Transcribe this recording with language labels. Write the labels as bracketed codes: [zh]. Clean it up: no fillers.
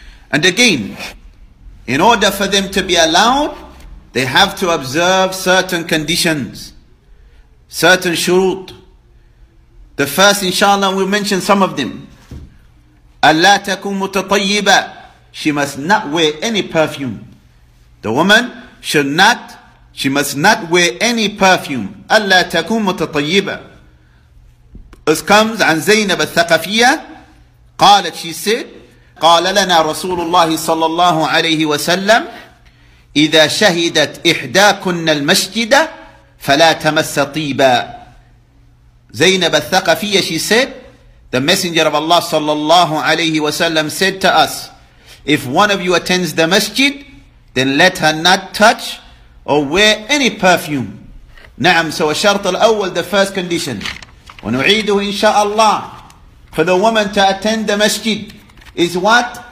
[en] And again, in order for them to be allowed, they have to observe certain conditions, certain shurut. The first, inshallah, we'll mention some of them. [ar] Allah takum mutatayyiba. [en] She must not wear any perfume. The woman should not, she must not wear any perfume. [ar] Allah takum mutatayyiba. [en] As comes [ar] عن زينب الثقفية, قالت, [en] she said, [ar] قال لنا رسول الله صلى الله عليه وسلم إذا شهدت إحداكن المسجد فلا تمس طيبا. [en] زينب الثقفية, she said, the messenger of Allah [ar] صلى الله عليه وسلم [en] said to us, if one of you attends the masjid, then let her not touch or wear any perfume. [ar] نعم, [en] so [ar] الشرط الأول, [en] the first condition, [ar] ونعيده إن شاء الله, [en] for the woman to attend the masjid, is what?